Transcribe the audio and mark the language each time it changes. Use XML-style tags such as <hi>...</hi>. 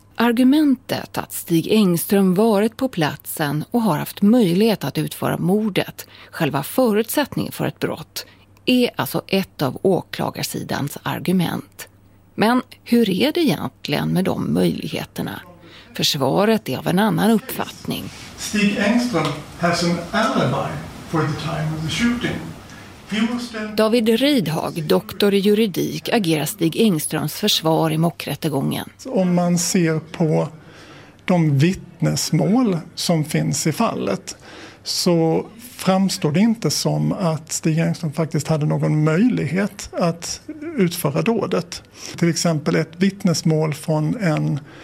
<sv>Argumentet att Stig Engström varit på platsen och har haft möjlighet att utföra mordet, själva förutsättningen för ett brott, är alltså ett av åklagarsidans argument. Men hur är det egentligen med de möjligheterna? Försvaret är av en annan uppfattning.</sv> <en>Stig Engström has an alibi for the time of the shooting.</en> <sv>David Rydhag, doktor i juridik, agerar Stig Engströms försvar i mockrättegången. Om man ser på de vittnesmål som finns i fallet så framstår det inte som att Stig Engström faktiskt hade någon möjlighet att utföra dådet. Till exempel ett vittnesmål från en</sv>